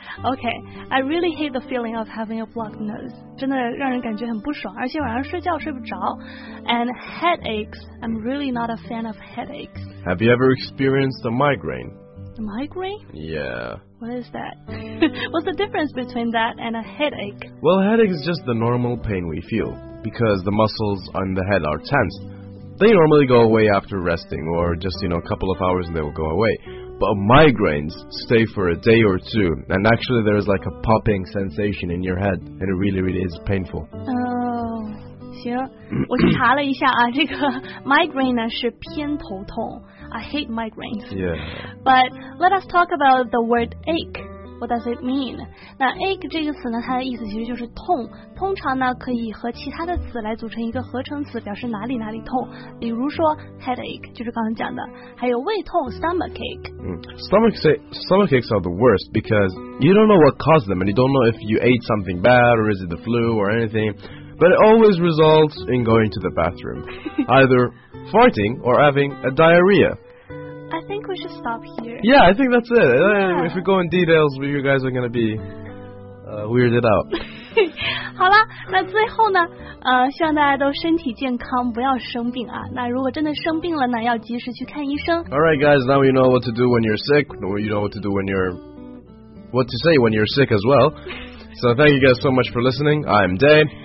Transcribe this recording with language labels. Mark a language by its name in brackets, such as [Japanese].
[English] OK, I really hate the feeling of having a blocked nose. [Chinese] 真的让人感觉很不爽，而且晚上睡觉睡不着。 [English] And headaches, I'm really not a fan of headaches. Have you ever experienced a migraine? Migraine? Yeah. What is that? What's the difference between that and a headache? Well, headache is just the normal pain we feel because the muscles on the head are tensed. They normally go away after resting or just, you know, a couple of hours and they will go away. But migraines stay for a day or two, and actually there is like a popping sensation in your head, and it really, really is painful. [Chinese] 行，我去查了一下啊，这个 migraine 呢是偏头痛。 [English] I hate migraines. Yeah. But let us talk about the word ache. What does it mean? [Chinese] 那 ache 这个词呢，它的意思其实就是痛。通常呢，可以和其他的词来组成一个合成词，表示哪里哪里痛。比如说 headache 就是刚刚讲的，还有胃痛 stomach ache.、 [English] Stomach aches are the worst because you don't know what caused them, and you don't know if you ate something bad or is it the flu or anything. But it always results in going to the bathroom, either farting or having a diarrhea. I think we should stop here. Yeah, I think that's it. Yeah. If we go in details, you guys are going to be、weirded out. [Chinese] 好了，那最后呢、希望大家都身体健康，不要生病啊。那如果真的生病了呢，要及时去看医生。 [English] Alright guys, now you know what to do when you're sick. You know what to do when you're... What to say when you're sick as well. So thank you guys so much for listening. I'm Dave.